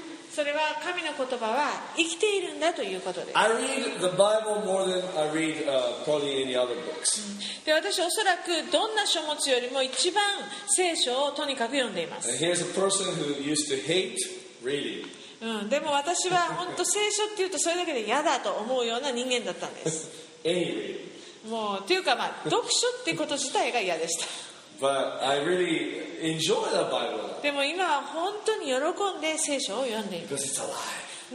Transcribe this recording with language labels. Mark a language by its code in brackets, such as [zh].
[ja] それは神の言葉は生きているんだということです。 [en] I read the Bible more than I read probably any other books. [ja] で、私おそらくどんな書物よりも一番聖書をとにかく読んでいます。 [en] Here's a person who used to hate reading. [ja] でも私は本当聖書っていうとそれだけで嫌だと思うような人間だったんです。 [en] Anyway. [ja] もうというかまあ読書ってこと自体が嫌でした。 [en] But I really enjoy the Bible. [ja] でも今は本当に喜んで聖書を読んでいます。 [en] Because it's alive.